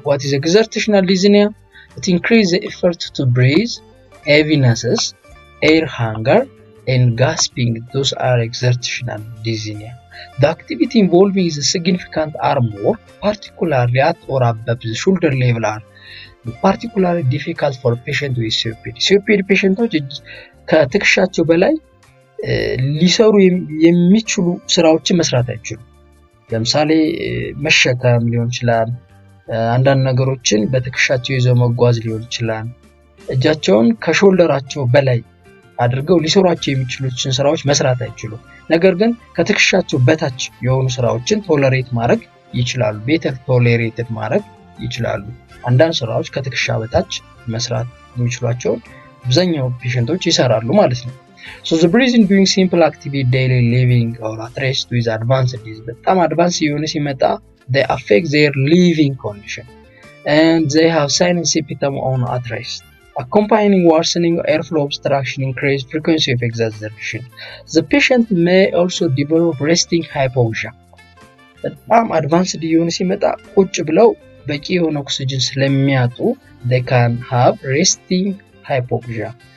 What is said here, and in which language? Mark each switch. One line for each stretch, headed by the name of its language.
English: What is exertional dyspnea? It increases the effort to breathe, heaviness, air hunger, and gasping. Those are exertional dyspnea. The activity involving the significant arm work, particularly at or above the shoulder level, are particularly difficult for patient with COPD.
Amharic: COPD patient ከትክሻቸው በላይ ሊሰሩ የሚችሉ ስራዎችን መስራት አይችሉም። ለምሳሌ መሸከም ሊሆን ይችላል፣ አንዳንድ ነገሮችን በትክሻቸው ይዞ መጓዝ ሊሆን ይችላል። እጃቸውን ከሾልደራቸው በላይ አድርገው ሊሰሯቸው የሚችሉትን ስራዎች መስራት አይችሉም። ነገር ግን ከትክሻቸው በታች የሆኑ ስራዎችን ቶለሬት ማድረግ ይችላሉ፣ ቤተር ቶለሬትድ ማድረግ ይችላሉ። አንዳንድ ስራዎች ከትክሻ በታች መስራት የሚችሏቸው ብዛኛው ፔሸንቶች ይሰራሉ ማለት ነው።
English: So the breathing doing simple activity daily living or at rest with advanced disease
Amharic: በጣም አድቫንስ የሆነ ሲመጣ
English: they affect their living condition and they have sign and symptom on at rest accompanying worsening airflow obstruction increased frequency of exacerbation. The patient may also develop resting hypoxia.
Amharic: በጣም አድቫንስድ የሆነ ሲመጣ ቁጭ ብለው በቂ የሆነ ኦክስጅን ስለሚያጡ
English: they can have resting hypoxia.